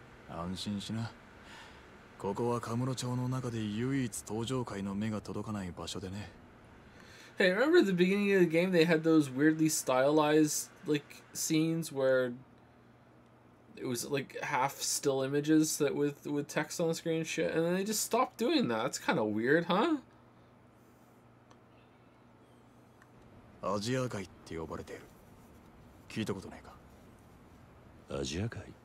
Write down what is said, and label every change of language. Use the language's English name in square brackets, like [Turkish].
[Japanese] 安心しな。ここは神室町の中で唯一登場会の目が届かない場所でね。 [English] Hey, remember at the beginning of the game they had those weirdly stylized like scenes where it was like half still images that with text on the screen and shit, and then they just stopped doing that. That's kind of weird, huh? [Japanese] アジア会って呼ばれている。聞いたことないか。アジア会。